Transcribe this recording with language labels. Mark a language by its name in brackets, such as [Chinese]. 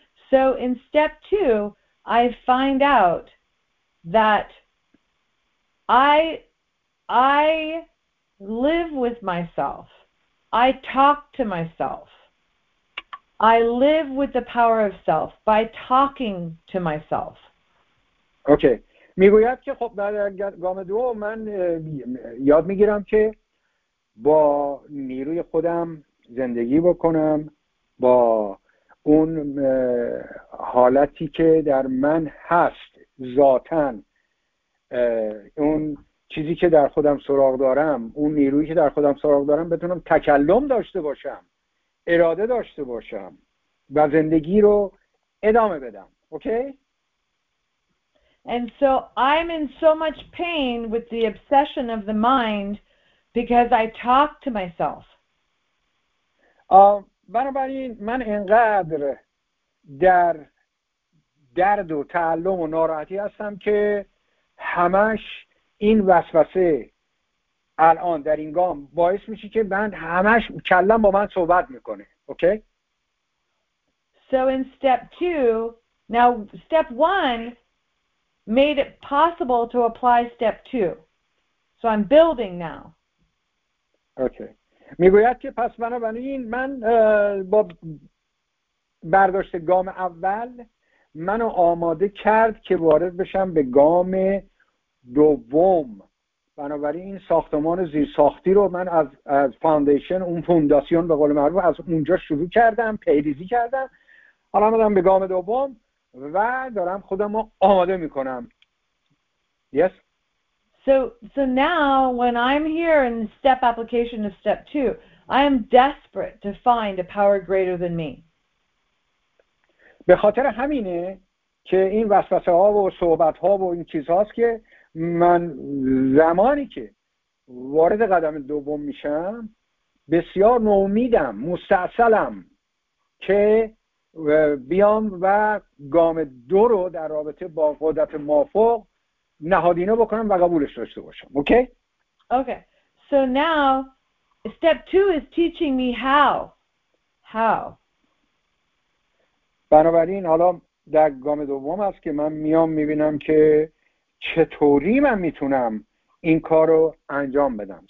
[English] So in step two, I find out that I live with myself. I talk to myself. I live with the power of self by talking to myself. Okay. [Persian] میگوید که خب در گام دوم من یاد میگیرم که با نیروی خودم زندگی بکنم، با اون حالتی که در من هست ذاتاً، اون چیزی که در خودم سراغ دارم، اون نیرویی که در خودم سراغ دارم، بتونم تکلم داشته باشم، اراده داشته باشم و زندگی رو ادامه بدم. [English] Okay? And so I'm in so much pain with the obsession of the mind because I talk to myself. [Persian] بنابراین من اینقدر در درد و تعلم و ناراحتی هستم که همش این وسوسه الان در این گام باعث میشه که من همش کلم با من صحبت میکنه. [English] Okay? So in step two, now step one made it possible to apply step two. So I'm building now. Okay. [Persian] میگوید که پس بنابراین من با برداشت گام اول منو آماده کرد که وارد بشم به گام دوم. بنابراین این ساختمان زیر ساختی رو من از فاندیشن، اون فونداسیون به قول معروف، از اونجا شروع کردم، پیریزی کردم. حالا آمدم به گام دوم و دارم خودم رو آماده میکنم. [English] Yes. So now when I'm here in step application of step two, I am desperate to find a power greater than me. [Persian] به خاطر همینه که این وسوسه ها و صحبت ها و این چیزهاست که من زمانی که وارد قدم دوم میشم بسیار نومیدم، مستعصلم که بیام و گام دو رو در رابطه با قدرت مافوق نهادینه بکنم و قبولش داشته باشم. [English] Okay? Okay. So now step two is teaching me how. [Persian] بنابراین حالا در گام دوم است که من میام میبینم که چطوری من میتونم این کار رو انجام بدم.